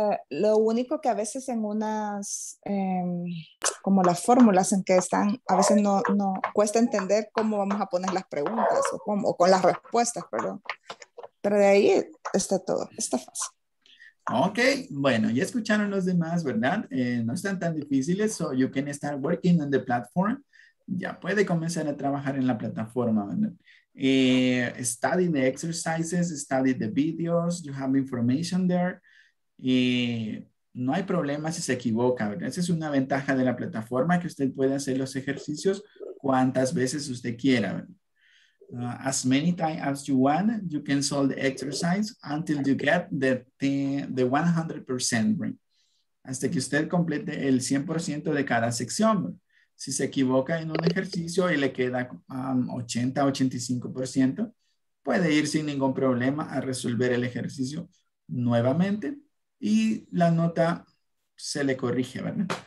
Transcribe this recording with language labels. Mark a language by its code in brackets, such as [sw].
[es] Lo único que a veces en unas, como las fórmulas en que están, a veces no cuesta entender cómo vamos a poner las preguntas o cómo, o con las respuestas, perdón. Pero de ahí está todo, está fácil. Ok, bueno, ya escucharon los demás, ¿verdad? No están tan difíciles, [en] so you can start working on the platform. [es] Ya puede comenzar a trabajar en la plataforma, ¿verdad? [en] Study the exercises, study the videos, you have information there. [es] No hay problema si se equivoca, ¿verdad? Esa es una ventaja de la plataforma, que usted puede hacer los ejercicios cuantas veces usted quiera. [en] As many times as you want, you can solve the exercise until you get the 100% ring. [es] Hasta que usted complete el 100% de cada sección. Si se equivoca en un ejercicio y le queda 80, 85%, puede ir sin ningún problema a resolver el ejercicio nuevamente y la nota se le corrige, ¿verdad?